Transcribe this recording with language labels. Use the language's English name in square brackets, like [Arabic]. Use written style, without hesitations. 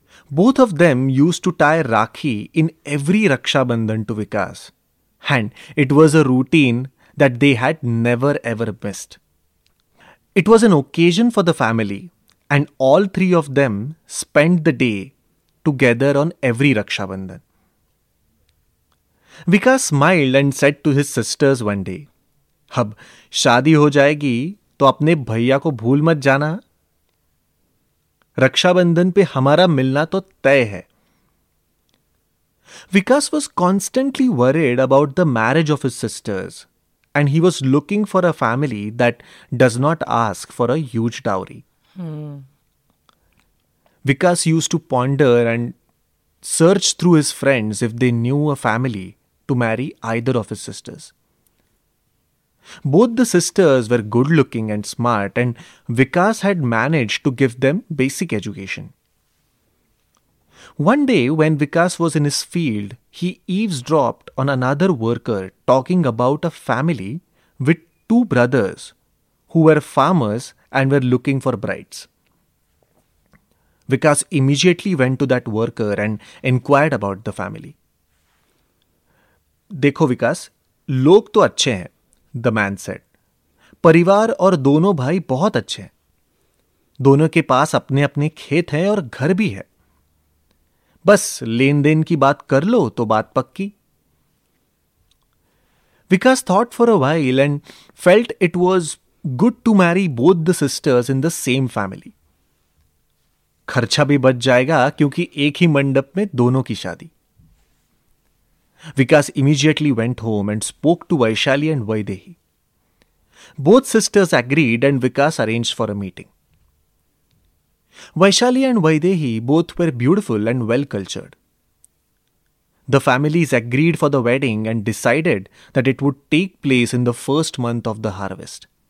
[English] Both of them used to tie Rakhi in every Raksha Bandhan to Vikas, and it was a routine that they had never ever missed. It was an occasion for the family, and all three of them spent the day together on every Raksha Bandhan. Vikas smiled and said to his sisters one day, [Hindi] अब शादी हो जाएगी तो अपने भैया को भूल मत जाना, रक्षाबंधन पे हमारा मिलना तो तय है. [English] Vikas was constantly worried about the marriage of his sisters and he was looking for a family that does not ask for a huge dowry. Vikas use to ponder and search through his friends if they knew a family to marry either of his sisters. Both the sisters were good looking and smart, and Vikas had managed to give them basic education. One day when Vikas was in his field, he eavesdropped on another worker talking about a family with two brothers who were farmers and were looking for brides. Vikas immediately went to that worker and inquired about the family. [Hindi] Dekho Vikas, log to acche hain. [English] The man said, [Hindi] परिवार और दोनों भाई बहुत अच्छे हैं. दोनों के पास अपने अपने खेत हैं और घर भी है. बस लेन देन की बात कर लो तो बात पक्की. [English] Vikas thought for a while and felt it was good to marry both the sisters in the same family. [Hindi] खर्चा भी बच जाएगा क्योंकि एक ही मंडप में दोनों की शादी. [English] Vikas immediately went home and spoke to Vaishali and Vaidehi. Both sisters agreed and Vikas arranged for a meeting. Vaishali and Vaidehi both were beautiful and well-cultured. The families agreed for the wedding and decided that it would take place in the first month of the harvest.